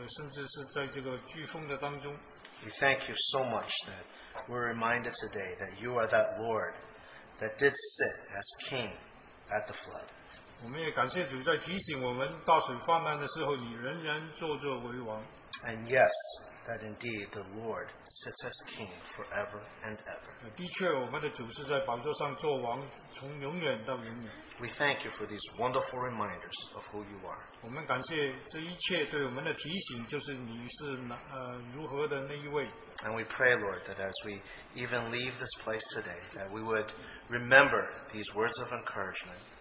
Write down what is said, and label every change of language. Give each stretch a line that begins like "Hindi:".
Chinese: 你也感谢主，你是一切的主，甚至是在这个飓风的当中。
English: We thank you so much that we're reminded today that you are that Lord that did sit as king at the flood.
Chinese: 我们也感谢主，在提醒我们大水泛滥的时候，你仍然坐着为王。
English: And yes, that indeed the Lord sits as king forever and ever.
Chinese: 的确，我们的主是在宝座上做王，从永远到永远。
English: We thank you for these wonderful reminders of who you are.
Chinese: 我们感谢这一切对我们的提醒，就是你是如何的那一位。
English: And we pray, Lord, that as we even leave this place today, that we would remember these words of encouragement.